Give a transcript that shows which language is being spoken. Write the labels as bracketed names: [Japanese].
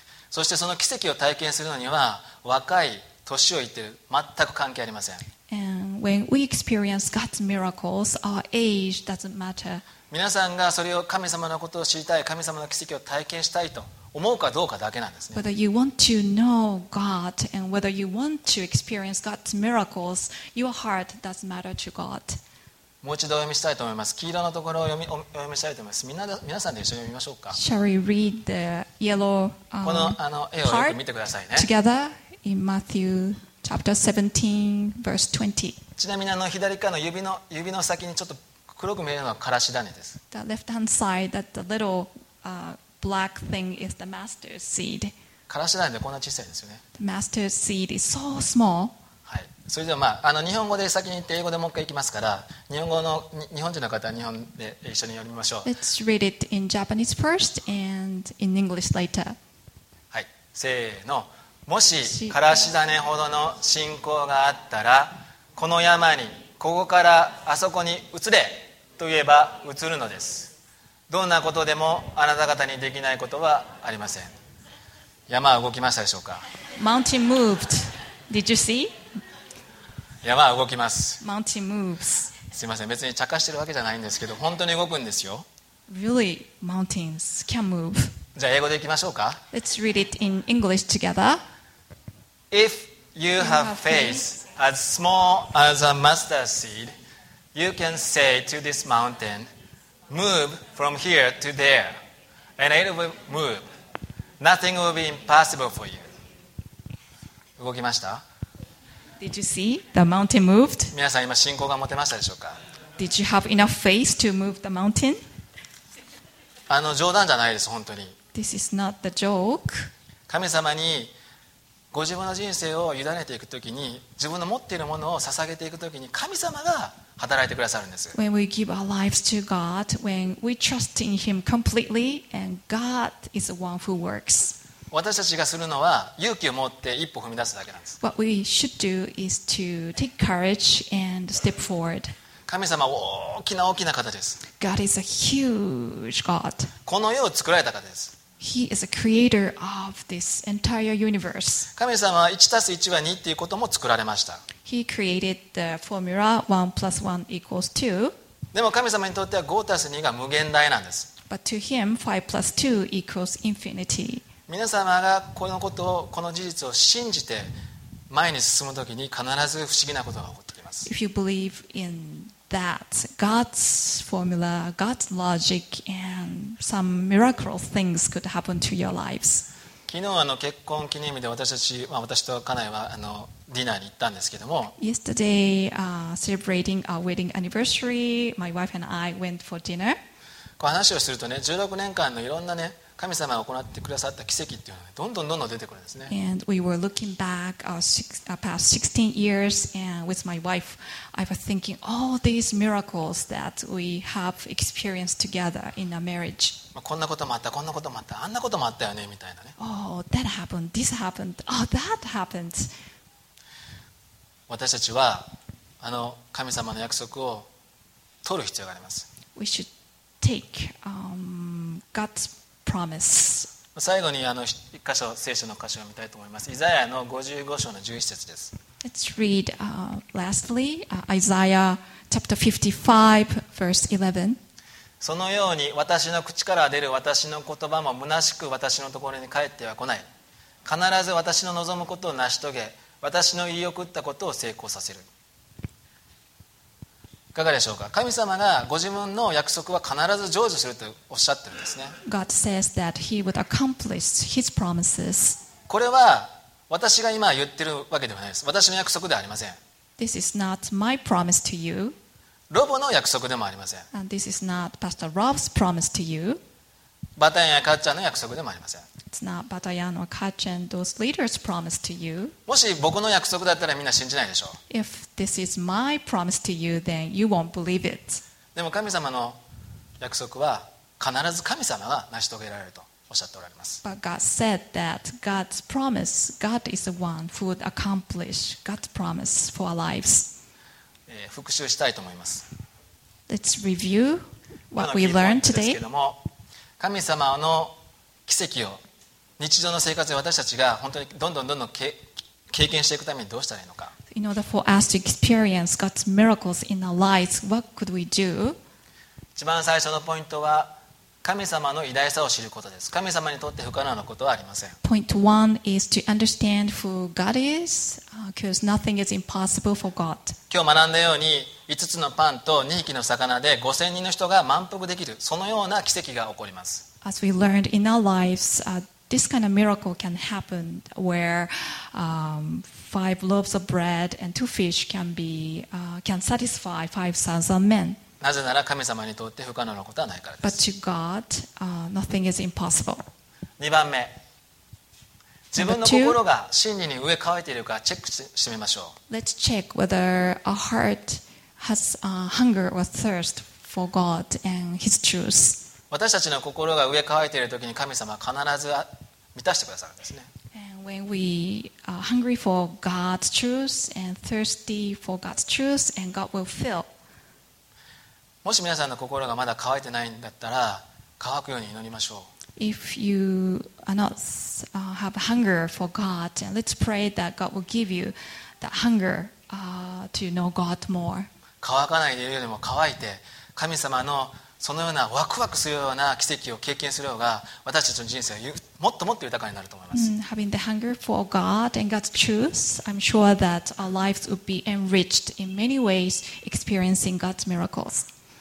[Japanese] そしてその奇跡を体験するのには若い年をいってる全く関係ありません。 [English] And when we experience God's miracles, our age doesn't matter. [Japanese] 皆さんがそれを神様のことを知りたい、神様の奇跡を体験したいと思うかどうかだけなんですね。 [English] Whether you want to know God and whether you want to experience God's miracles, your heart does matter to God. [Japanese] もう一度読みしたいと思います。黄色のところを読みしたいと思います。皆さんで一緒に読みましょうか。 [English] Shall we read the yellow part? [Japanese] この絵をよく見てくださいね。 [English] Together in Matthew chapter 17 verse 20. [Japanese] ちなみに左側の指の先にちょっと黒く見えるのはからし種です。 [English] The left hand side, that the little black thing is the mustard seed. [Japanese] からし種でこんな小さいですよね。 [English] The mustard seed is so small. [Japanese] それでは、日本語で先に言って英語でもう一回いきますから、日本人の方は日本で一緒に読みましょう。 [English] Let's read it in Japanese first and in English later. [Japanese] はい、せーの。もしからし種ほどの信仰があったら、この山にここからあそこに移れと言えば移るのです。どんなことでもあなた方にできないことはありません。山は動きましたでしょうか。 [English] Mountain moved. Did you see? [Japanese] 山は動きます。 [English] Mountain moves. [Japanese] すいません、別に茶化してるわけじゃないんですけど、本当に動くんですよ。 [English] Really, mountains can move. [Japanese] じゃあ英語でいきましょうか。 [English] Let's read it in English together. If you have faith as small as a mustard seed, you can say to this mountain, move from here to there, and it will move. Nothing will be impossible for you. [Japanese] 動きました。 [English] Did you see the mountain moved? [Japanese] 皆さん今信仰が持てましたでしょうか。 [English] Did you have enough faith to move the mountain? [Japanese] 冗談じゃないです本当に。 [English] This is not the joke. [Japanese] 神様にご自分の人生を委ねていくときに、自分の持っているものを捧げていくときに、神様が働いてくださるんです。 [English] When we give our lives to God, when we trust in Him completely, and God is the one who works. [Japanese] 私たちがするのは勇気を持って一歩踏み出すだけなんです。 [English] What we should do is to take courage and step forward. [Japanese] 神様は大きな大きな方です。 [English] God is a huge God. [Japanese] この世を作られた方です。 [English] He is a creator of this entire universe. [Japanese] 神様は 1+1 は2っていうことも作られました。 [English] He created the formula 1+1=2. [Japanese] でも神様にとっては 5+2 が無限大なんです。 [English] But to him 5+2=infinity. [Japanese] 皆様がこのことを、この事実を信じて前に進むときに、必ず不思議なことが起こってきます。 [English] If you believe in that, God's formula, God's logic, and some miracle things could happen to your lives. [Japanese] 昨日結婚記念日で私と家内はディナーに行ったんですけども、 [English] Yesterday, celebrating our wedding anniversary, my wife and I went for dinner. [Japanese] 話をするとね、16年間のいろんなね、神様が行ってくださった奇跡っていうのがどんどんどんどん出てくるんですね。 [English] And we were looking back our past 16 years and with my wife, I was thinking all these miracles that we have experienced together in a marriage. [Japanese] こんなこともあった、こんなこともあった、あんなこともあったよねみたいなね。 [English] Oh, that happened, this happened, oh, that happened. [Japanese] 私たちは神様の約束を取る必要があります。 [English] We should take God's Promise. [Japanese] 最後に一箇所聖書の箇所を見たいと思います。イザヤの55章の11節です。 [English] Let's read lastly Isaiah chapter 55 verse 11. [Japanese] そのように私の口から出る私の言葉も虚しく私のところに返っては来ない。必ず私の望むことを成し遂げ、私の言い送ったことを成功させる。いかがでしょうか。神様がご自分の約束は必ず成就するとおっしゃってるんですね。 [English] God says that he would accomplish his promises. [Japanese] これは私が今言ってるわけではないです。私の約束ではありません。 [English] This is not my promise to you. [Japanese] ロボの約束でもありません。 [English] And this is not Pastor Rob's promise to you. [Japanese] バタヤンやカッチャンの約束でもありません。 [English] It's not バタヤンやカッチャン those leaders' promise to you. [Japanese] もし僕の約束だったらみんな信じないでしょう。 [English] If this is my promise to you, then you won't believe it. [Japanese] でも神様の約束は必ず神様が成し遂げられるとおっしゃっておられます。 [English] But God said that God's promise, God is the one who would accomplish God's promise for our lives. [Japanese] 復習したいと思います。 [English] Let's review what we learned today. [Japanese] 神様の奇跡を日常の生活で私たちが本当にどんどんどんどん経験していくためにどうしたらいいのか。 [English] In order for us to experience God's miracles in our lives, what could we do? [Japanese] 一番最初のポイントは神様の偉大さを知ることです。神様にとって不可能なことはありません。 [English] Point one is to understand who God is, because nothing is impossible for God. [Japanese] 今日学んだように、5つのパンと2匹の魚で5000人の人が満腹できる、そのような奇跡が起こります。 [English] As we learned in our lives, this kind of miracle can happen where, five loaves of bread and two fish can satisfy 5,000 men. [Japanese] なぜなら神様にとって不可能なことはないからです。 [English] But to God, nothing is impossible. [Japanese] 2番目、自分の心が真理に植え替えているかチェックしてみましょう。 [English] Let's check whether our heart has hunger or thirst for God and His truth. [Japanese] 私たちの心が植え替えているときに神様は必ず満たしてくださるんですね。 [English] When we are hungry for God's truth and thirsty for God's truth, and God will fill. [Japanese] もし皆さんの心がまだ乾いてないんだったら、乾くように祈りましょう。 [English] If you are not have hunger for God, let's pray that God will give you that hunger to know God more. [Japanese] 乾かないでいるよりも乾いて、神様のそのようなワクワクするような奇跡を経験する方が、私たちの人生はもっともっと豊かになると思います。 [English] Having the hunger for God and God's truth, I'm sure that our lives would be enriched in many ways experiencing God's miracles.